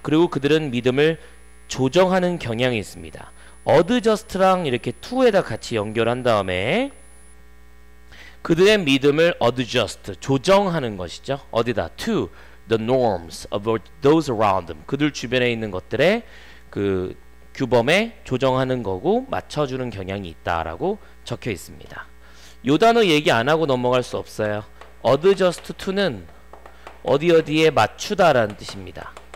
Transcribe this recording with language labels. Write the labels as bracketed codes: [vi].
[ko] 그리고 그들은 믿음을 조정하는 경향이 있습니다. adjust랑 이렇게 to에다 같이 연결한 다음에 그들의 믿음을 adjust, 조정하는 것이죠. 어디다? [en] to the norms of those around them. [ko] 그들 주변에 있는 것들의 그 규범에 조정하는 거고 맞춰주는 경향이 있다라고 적혀 있습니다. 요 단어 얘기 안 하고 넘어갈 수 없어요. adjust to는 어디 어디에 맞추다라는 뜻입니다.